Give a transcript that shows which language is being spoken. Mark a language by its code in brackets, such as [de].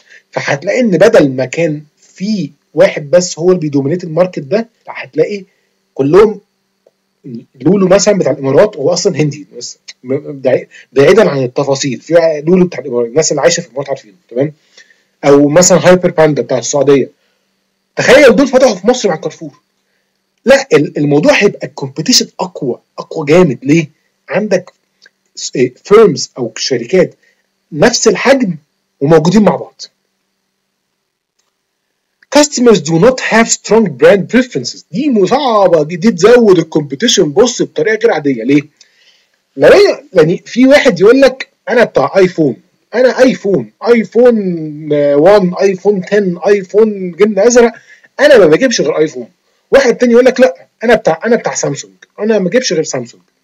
[ar] فهتلاقي ان بدل ما كان في واحد بس هو اللي بيدومينيت الماركت ده هتلاقي كلهم لولو مثلا بتاع الامارات هو اصلا هندي بس بعيدا عن التفاصيل في لولو بتاع الامارات الناس اللي عايشه في الامارات عارفينه تمام او مثلا هايبر باندا بتاع السعوديه. تخيل دول فتحوا في مصر مع كارفور. لا الموضوع هيبقى الكومبيتيشن اقوى اقوى جامد. ليه؟ عندك فيرمز او شركات نفس الحجم وموجودين مع بعض. [en] Customers do not have strong brand preferences. [ar] دي مصعبة دي تزود الكومبيتيشن بص بطريقة غير عادية. ليه؟ يعني في واحد يقول لك انا بتاع ايفون انا ايفون ايفون 1 ايفون 10 ايفون جن ازرق انا ما بجيبش غير ايفون. واحد تاني يقول لك لا انا بتاع سامسونج انا ما بجيبش غير سامسونج.